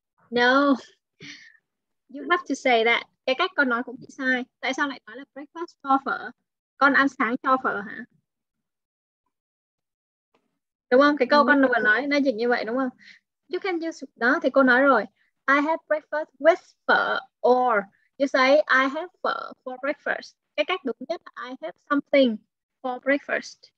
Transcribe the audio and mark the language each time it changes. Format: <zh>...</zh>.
<en>No. You have to say that.</en> <vi>Cái cách con nói cũng bị sai. Tại sao lại nói là</vi> <en>breakfast for pho?</en> <vi>Con ăn sáng cho pho hả? Đúng không? Cái câu con vừa nói nó dịch như vậy đúng không?</vi> <en>You can use</en> <vi>đó thì cô nói rồi.</vi> <en>I have breakfast with pho, or you say I have pho for breakfast.</en> <vi>Cái cách đúng nhất là</vi> <en>I have something for breakfast.</en>